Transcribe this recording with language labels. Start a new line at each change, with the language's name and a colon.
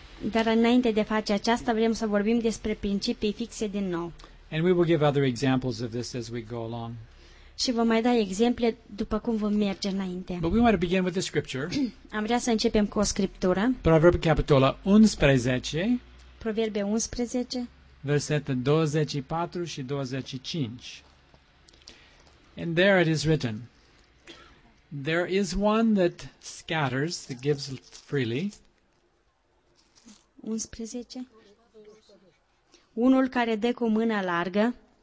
Romanian: Dar înainte de a face aceasta, vrem să vorbim despre principii fixe din nou.
English: And we will give other examples of this as we go along.
Romanian: Și vom mai da exemple după cum vom merge înainte.
English: But we want to begin with the scripture.
Romanian: Am vrea să începem cu o scriptură. Proverbe capitolul 11. Proverbe 11. Versetul 24 și 25.
English: And there it is written. There is one that scatters, that gives freely. 11.
Romanian: Unul care dă cu mâna largă.